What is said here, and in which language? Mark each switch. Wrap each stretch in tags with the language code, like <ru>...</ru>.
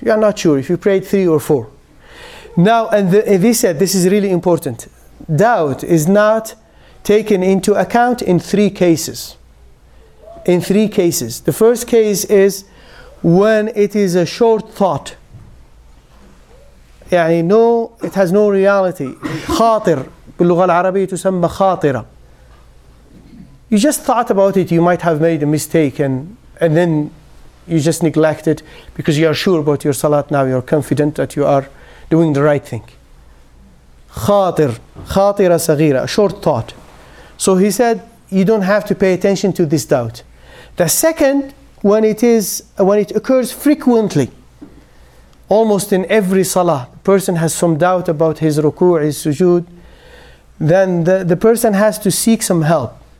<en>You are not sure if you prayed three or four. Now, and they said, this is really important. Doubt is not taken into account in three cases. The first case is when it is a short thought. يعني no, it has no reality.</en> <ar>خاطر. باللغة العربية تسمى خاطرة.</ar> <en>You just thought about it, you might have made a mistake and then you just neglect it because you are sure about your salat now, you are confident that you are doing the right thing.</en> <ar>خاطر, خاطرة صغيرة,</ar> <en>short thought. So he said, you don't have to pay attention to this doubt. The second, when it occurs frequently, almost in every salah, the person has some doubt about his ruku', his sujood, then the person has to seek some help.</en>